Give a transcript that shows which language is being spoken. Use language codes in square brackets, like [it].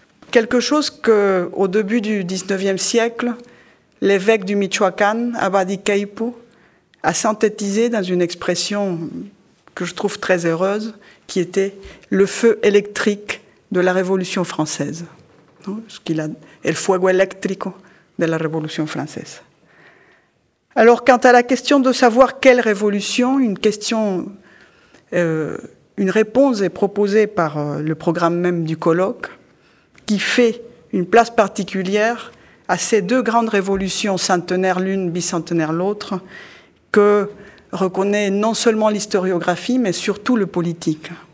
[fr] Quelque chose qu'au début du XIXe siècle, l'évêque du Michoacán, Abadi Queipo, a synthétisé dans une expression que je trouve très heureuse, qui était « le feu électrique de la Révolution française ». [es] El fuego eléctrico de la [fr] Révolution française. Alors, quant à la question de savoir quelle révolution, une réponse est proposée par le programme même du colloque, qui fait une place particulière à ces deux grandes révolutions, centenaire l'une, bicentenaire l'autre, que reconnaît non seulement l'historiographie, mais surtout le politique.